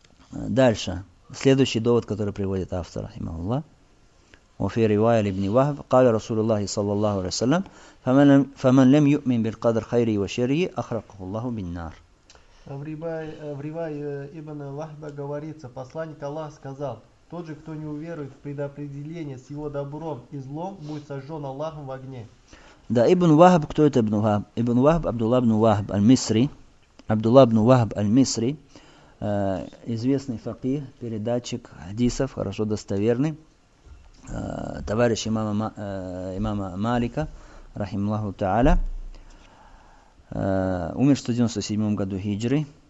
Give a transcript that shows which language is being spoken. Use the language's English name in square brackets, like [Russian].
[Russian] Дальше. Следующий довод, который приводит автор, рахима Аллах. [Arabic] وفي رواية لابن وهب قال رسول الله صلى الله عليه وسلم فمن لم يؤمن بالقدر خيره وشره أخرقه الله بالنار. [Russian] В ривае Ибн Вахба говорится, посланник Аллаха сказал, тот же, кто не уверует в предопределение с его добром и злом, будет сожжен Аллахом в огне. Да, Ибн Вахб, кто это Ибн Вахб? Ибн Вахб, Абдулла ибн Вахб, Аль-Мисри, Абдулла ибн Вахб, Аль-Мисри, известный факих, передатчик хадисов, хорошо достоверный, товарищ имама Малика, рахималлаху та'аля, умер в 197 году хиджры.